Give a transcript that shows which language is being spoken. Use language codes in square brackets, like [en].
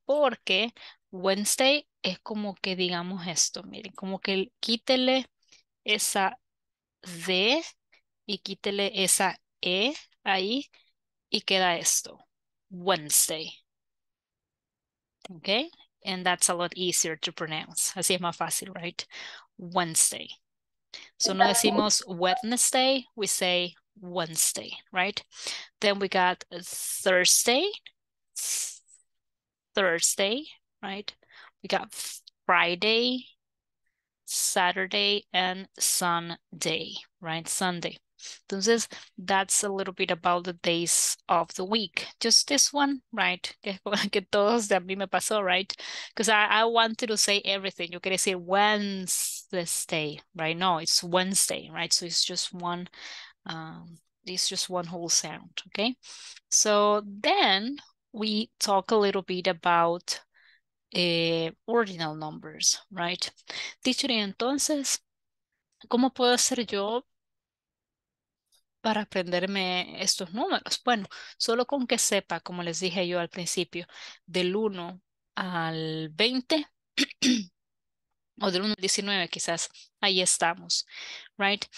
[es] Porque Wednesday es como que digamos esto, miren, como que quítele esa D y quítele esa E ahí y queda esto, Wednesday. [en] Okay, and that's a lot easier to pronounce. [es] Así es más fácil, right? Wednesday. So no decimos Wednesday, [en] we say Wednesday, right? Then we got Thursday. Thursday, right? We got Friday, Saturday, and Sunday, right? Sunday. Entonces, that's a little bit about the days of the week. Just this one, right? [es] Que todos de a mí me pasó, right? [en] Because I wanted to say everything. [es] Yo quería decir [en] Wednesday, right? No, it's Wednesday, right? So it's just one whole sound, okay? So then we talk a little bit about ordinal numbers, right? [es] Teacher, entonces, ¿cómo puedo hacer yo para aprenderme estos números? Bueno, solo con que sepa, como les dije yo al principio, del 1 al 20, o del 1 al 19 quizás, ahí estamos, right?